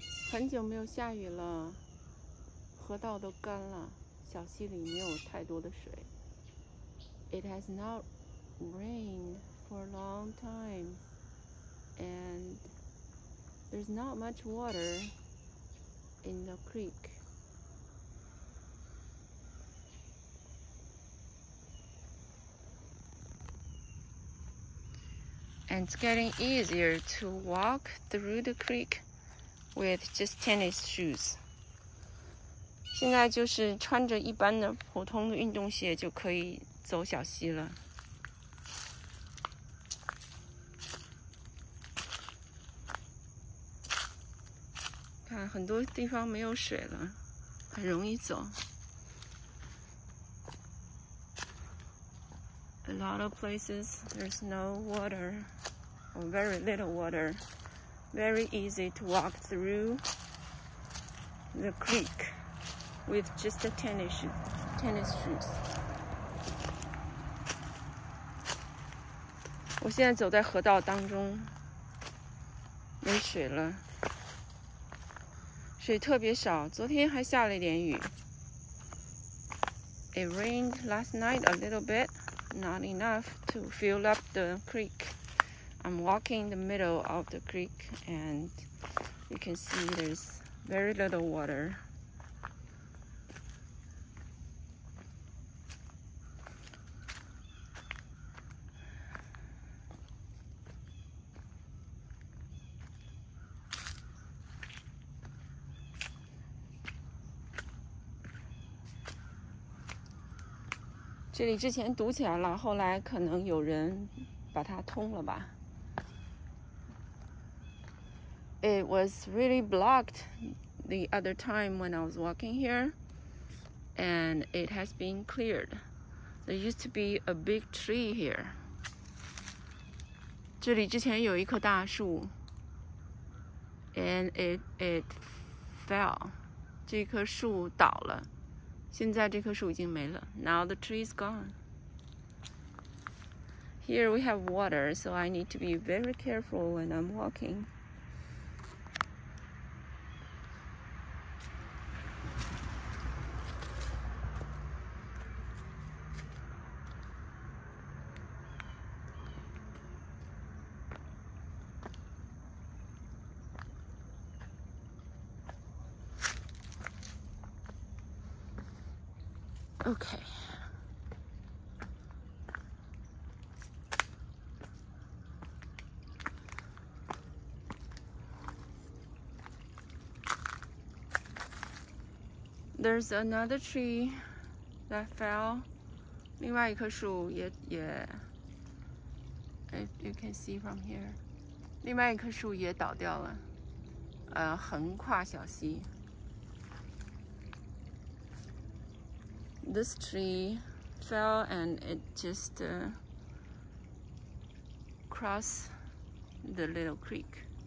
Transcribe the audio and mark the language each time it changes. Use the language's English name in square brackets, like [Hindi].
[Chinese] 很久没有下雨了，河道都干了，小溪里没有太多的水。 [English] It has not rained for a long time, and there's not much water in the creek. And it's getting easier to walk through the creek. With just tennis shoes. [Chinese] 现在就是穿着一般的普通的运动鞋就可以走小溪了。看，很多地方没有水了，很容易走。 [English] A lot of places there's no water, or very little water. Very easy to walk through the creek with just a tennis shoes. [Chinese] 我现在走在河道当中，没水了，水特别少，昨天还下了一点雨。 [English] It rained last night a little bit, not enough to fill up the creek. I'm walking in the middle of the creek, and you can see there's very little water. [Chinese] 这里之前堵起来了，后来可能有人把它通了吧。 [English] It was really blocked the other time when I was walking here, and it has been cleared. There used to be a big tree here. [Chinese] 这里之前有一棵大树 [English] and it fell. [Chinese] 这棵树倒了，现在这棵树已经没了。 [English] Now the tree is gone. Here we have water, so I need to be very careful when I'm walking. Okay. There's another tree that fell. [Chinese] 另外一棵树也 [English] you can see from here. [Chinese] 另外一棵树也倒掉了，横跨小溪。 [English] This tree fell and it just crossed the little creek.